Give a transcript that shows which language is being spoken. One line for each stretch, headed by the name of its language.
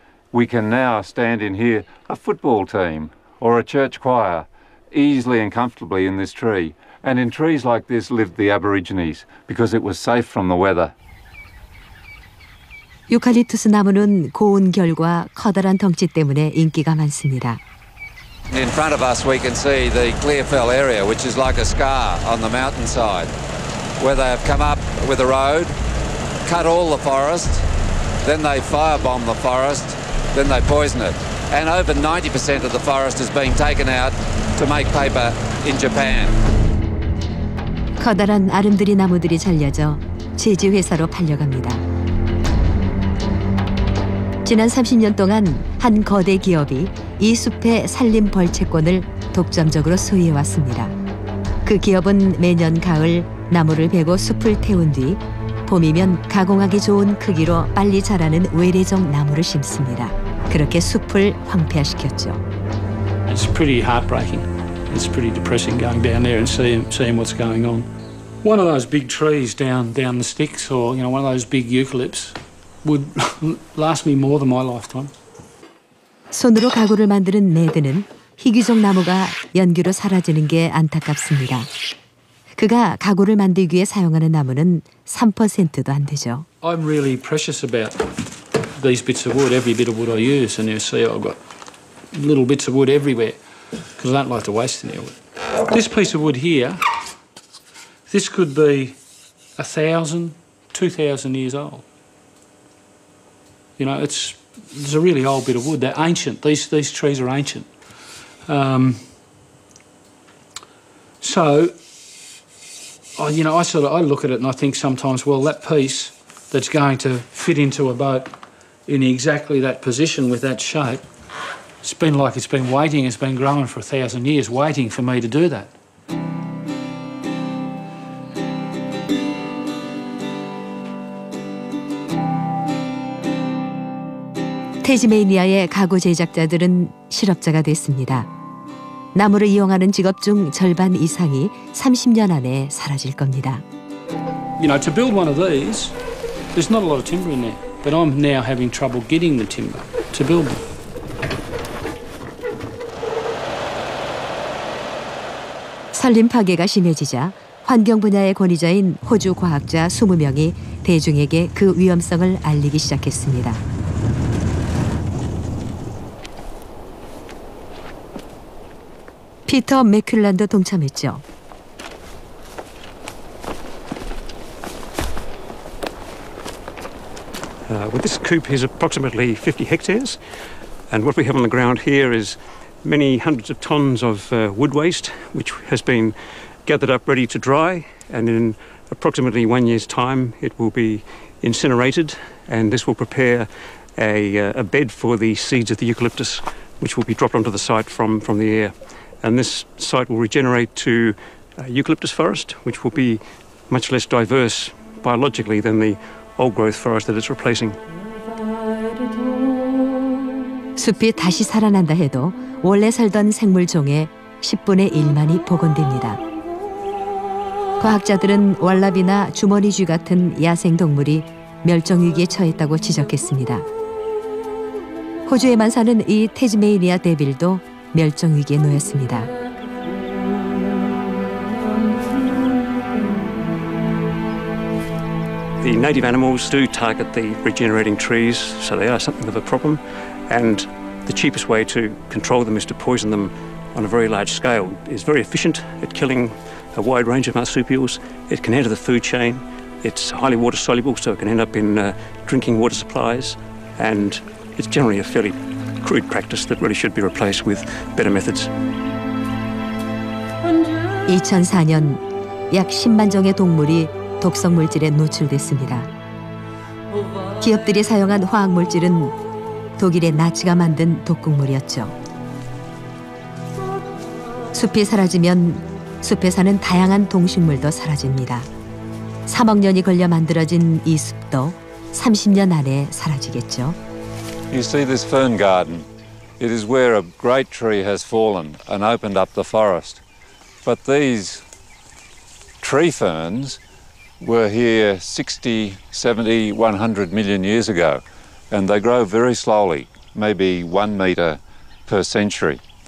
English: We can now stand in here, a football team or a church choir, easily and comfortably in this tree. And in trees like this lived the Aborigines because it was safe from the weather.
Korean: 유칼립투스 나무는 고운 결과 커다란 덩치 때문에 인기가 많습니다.
English: In front of us we can see the clear fell area which is like a scar on the mountainside where they have come up with a road, cut all the forest, then they firebomb the forest, then they poison it. And over 90% of the forest is being taken out to make paper in Japan.
Korean: 커다란 아름드리 나무들이 잘려져 제지 회사로 팔려갑니다. 지난 30년 동안 한 거대 기업이 이 숲의 산림 벌채권을 독점적으로 소유해 왔습니다. 그 기업은 매년 가을 나무를 베고 숲을 태운 뒤 봄이면 가공하기 좋은 크기로 빨리 자라는 외래종 나무를 심습니다. 그렇게 숲을 황폐화시켰죠.
English: It's pretty heartbreaking. It's pretty depressing going down there and seeing what's going on. One of those big trees down the sticks, or you know, one of those big eucalypts, would last me more than my lifetime.
Korean: 손으로 가구를 만드는 네드는 희귀종 나무가 연기로 사라지는 게 안타깝습니다. 그가 가구를 만들기 위해 사용하는 나무는 3%도 안 되죠.
English: I'm really precious about these bits of wood, every bit of wood I use, and you'll see I've got little bits of wood everywhere because I don't like to waste any wood. This piece of wood here, this could be 1,000, 2,000 years old. You know, it's a really old bit of wood. They're ancient. These trees are ancient. I look at it and I think sometimes, well, that piece that's going to fit into a boat in exactly that position with that shape, it's been like it's been waiting, it's been growing for 1,000 years, waiting for me to do that.
Korean: Tasmania의 가구 제작자들은 실업자가 됐습니다. 나무를 이용하는 직업 중 절반 이상이 30년 안에 사라질 겁니다.
English: You know, to build one of these, there's not a lot of timber in there, but I'm now having trouble getting the timber to build them.
Korean: Salim 파괴가 심해지자 환경 분야의 권위자인 호주 과학자 20명이 대중에게 그 위험성을 알리기 시작했습니다. 피터 맥클란도 동참했죠.
English: 아, this coop is approximately 50 hectares and what we have on the ground here is many hundreds of tons of wood waste which has been gathered up ready to dry and in approximately 1 year's time it will be incinerated and this will prepare a bed for the seeds of the eucalyptus which will be dropped onto the site from the air. And this site will regenerate to eucalyptus forest, which will be much less diverse biologically than the old-growth forest that it's replacing.
Korean: 숲이 다시 살아난다 해도 원래 살던 생물종의 10분의 1만이 복원됩니다. 과학자들은 왈라비나 주머니쥐 같은 야생 동물이 멸종 위기에 처했다고 지적했습니다. 호주에만 사는 이 태즈메이니아 데빌도 멸종 위기에 놓였습니다.
English: The native animals do target the regenerating trees, so they are something of a problem. And the cheapest way to control them is to poison them on a very large scale. It's very efficient at killing a wide range of marsupials. It can enter the food chain. It's highly water soluble, so it can end up in drinking water supplies. And it's generally a fairly crude practice that really should be replaced with better methods.
Korean: 2004년 약 10만 종의 동물이 독성 물질에 노출됐습니다. 기업들이 사용한 화학 물질은 독일의 나치가 만든 독극물이었죠. 숲이 사라지면 숲에 사는 다양한 동식물도 사라집니다. 3억 년이 걸려 만들어진 이 숲도 30년 안에 사라지겠죠.
English: You see this fern garden. It is where a great tree has fallen and opened up the forest. But these tree ferns were here 60, 70, 100 million years ago. And they grow very slowly, maybe 1 meter per century.